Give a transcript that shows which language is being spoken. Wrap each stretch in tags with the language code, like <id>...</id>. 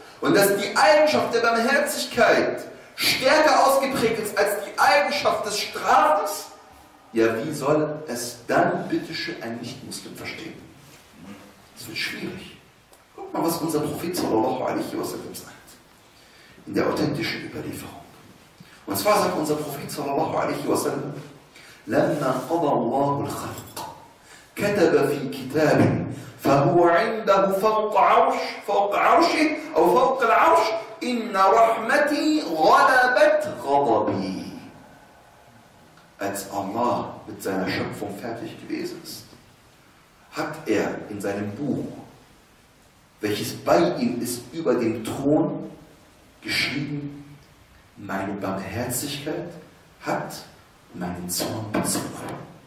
<de>Und dass die Eigenschaft der Barmherzigkeit stärker ausgeprägt ist als die Eigenschaft des Strafens, ja, wie soll es dann, bitteschön, ein Nicht-Muslim verstehen? Das wird schwierig. Guck mal, was unser Prophet sallallahu alaihi wasallam sagt. In der authentischen Überlieferung. Und zwar sagt unser Prophet</de> <ar>sallallahu alaihi wasallam: لَمَّا قَضَى اللَّهُ الْخَلْقَ كَتَبَ فِي كِتَابٍ فَهُوَ عِنْدَهُ فَوْقَ عَرْشِهِ أَوْ فَوْقَ الْعَرْشِ إِنَّ رَحْمَتِي غَلَبَتْ غَضَبِي.</ar> <de>Als Allah mit seiner Schöpfung fertig gewesen ist, hat er in seinem Buch, welches bei ihm ist, über dem Thron geschrieben: Meine Barmherzigkeit hat meinen Zorn bezwungen.</de>